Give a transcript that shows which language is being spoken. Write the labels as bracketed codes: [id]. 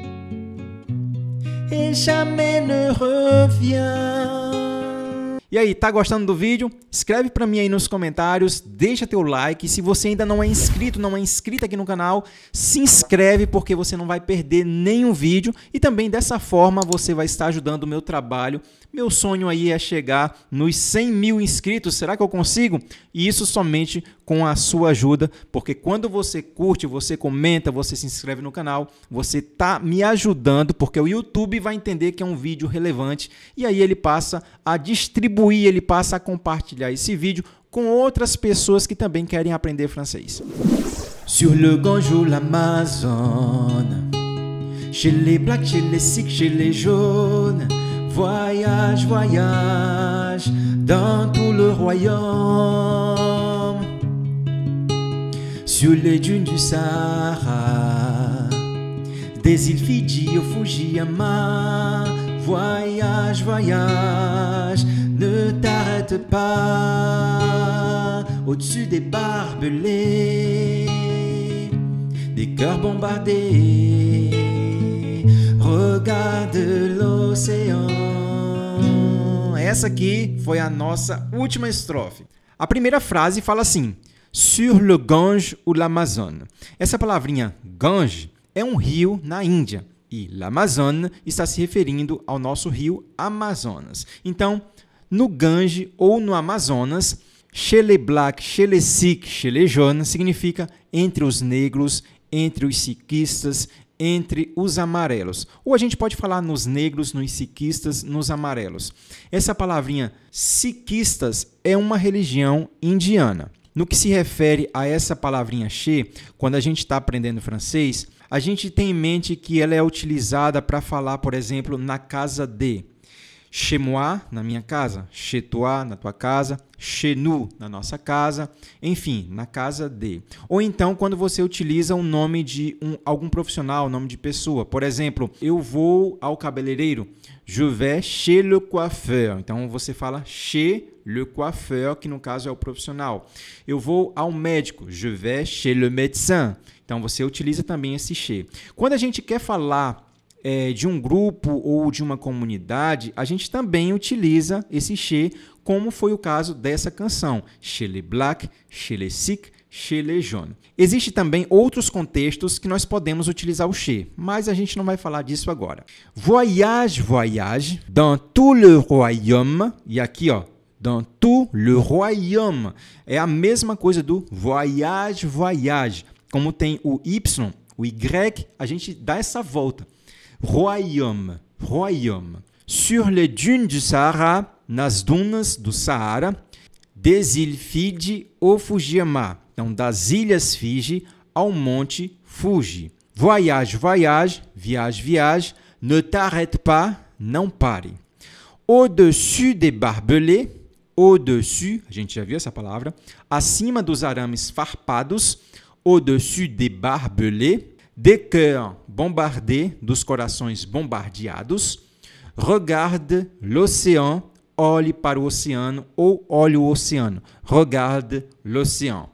[fr] Voyage et jamais ne revient. [pt] E aí, tá gostando do vídeo? Escreve pra mim aí nos comentários, deixa teu like. Se você ainda não é inscrito, não é inscrito aqui no canal, se inscreve porque você não vai perder nenhum vídeo. E também dessa forma você vai estar ajudando o meu trabalho. Meu sonho aí é chegar nos 100 mil inscritos. Será que eu consigo? Isso somente com a sua ajuda, porque quando você curte, você comenta, você se inscreve no canal, você está me ajudando, porque o YouTube vai entender que é um vídeo relevante e aí ele passa a distribuir, ele passa a compartilhar esse vídeo com outras pessoas que também querem aprender francês. [fr] Sur le Gange, l'Amazone, chez les blacks, chez les sick, chez les jaunes. Voyage, voyage dans tout le royaume. Sur les dunes du Sahara, des îles Fidji au Fujiyama. Voyage, voyage, ne t'arrête pas. Au-dessus des barbelés, des cœurs bombardés, regarde l'océan. [pt] Essa aqui foi a nossa última estrofe. A primeira frase fala assim: [fr] Sur le Gange ou l'Amazone. [pt] Essa palavrinha Gange é um rio na Índia. E l'Amazone está se referindo ao nosso rio Amazonas. Então, no Gange ou no Amazonas, [fr] chez les blacks, chez les sikhs, chez les jaunes, [pt] significa entre os negros, entre os sikhistas, entre os amarelos. Ou a gente pode falar nos negros, nos sikhistas, nos amarelos. Essa palavrinha sikhistas é uma religião indiana. No que se refere a essa palavrinha che, quando a gente está aprendendo francês, a gente tem em mente que ela é utilizada para falar, por exemplo, na casa de. [fr] Chez moi, [pt] na minha casa. [fr] Chez toi, [pt] na tua casa. [fr] Chez nous, [pt] na nossa casa. Enfim, na casa de. Ou então, quando você utiliza o nome de algum profissional, nome de pessoa. Por exemplo, eu vou ao cabeleireiro. [fr] Je vais chez le coiffeur. [pt] Então, você fala [fr] chez le coiffeur, [pt] que no caso é o profissional. Eu vou ao médico. [fr] Je vais chez le médecin. [pt] Então, você utiliza também esse chez. Quando a gente quer falar de um grupo ou de uma comunidade, a gente também utiliza esse chez, como foi o caso dessa canção. [fr] Chez les blacks, chez les sikhs, chez les jaunes. [pt] Existem também outros contextos que nós podemos utilizar o chez, mas a gente não vai falar disso agora. [fr] Voyage, voyage, dans tout le royaume. [pt] E aqui, ó, [fr] dans tout le royaume. [pt] É a mesma coisa do voyage, voyage. Como tem o Y, o Y, a gente dá essa volta. [fr] Royaume, royaume. Sur les dunes du Sahara, [pt] nas dunas do Saara, [fr] des îles Fidji au Fujiyama. [pt] Então, das ilhas Fiji ao monte Fuji. [fr] Voyage, voyage, [pt] viage, viage, [fr] ne t'arrête pas, [pt] não pare. [fr] Au-dessus des barbelés, [pt] au-dessus, a gente já viu essa palavra, acima dos arames farpados, [fr] au-dessus des barbelés, des cœurs bombardés, [pt] dos corações bombardeados, [fr] regarde l'océan, [pt] olhe para o oceano ou olhe o oceano, regarde l'océan.